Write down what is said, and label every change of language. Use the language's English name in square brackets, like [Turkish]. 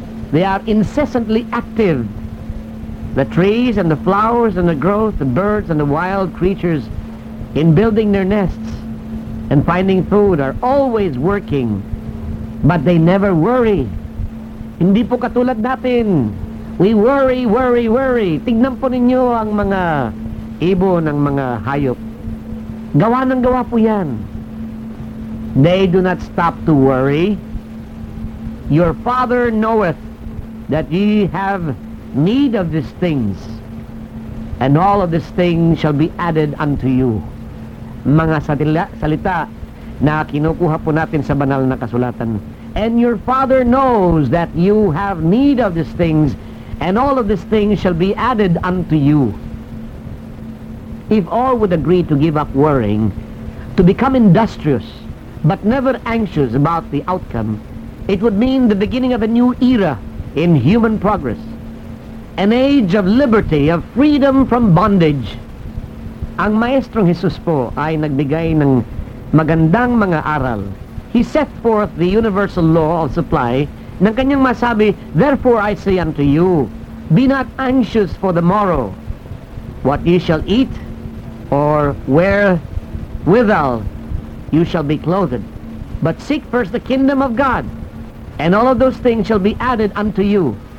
[English] They are incessantly active. The trees and the flowers and the growth, the birds and the wild creatures in building their nests and finding food are always working, but they never worry. [Filipino] Hindi po katulad natin. [English] We worry, worry, worry. [Filipino] Tignan po ninyo ang mga ibon ng mga hayop. Gawa ng gawa po yan. [English] They do not stop to worry. Your father knoweth that ye have need of these things, and all of these things shall be added unto you. [Filipino] Mga salita na kinukuha po natin sa banal na kasulatan. [English] And your father knows that you have need of these things, and all of these things shall be added unto you. If all would agree to give up worrying, to become industrious, but never anxious about the outcome, it would mean the beginning of a new era in human progress, an age of liberty, of freedom from bondage. [Filipino] Ang Maestrong Jesus po ay nagbigay ng magandang mga aral. [English] He set forth the universal law of supply [Filipino] ng kanyang masabi, [English] "Therefore I say unto you, be not anxious for the morrow, what ye shall eat, or wherewithal you shall be clothed. But seek first the kingdom of God, and all of those things shall be added unto you."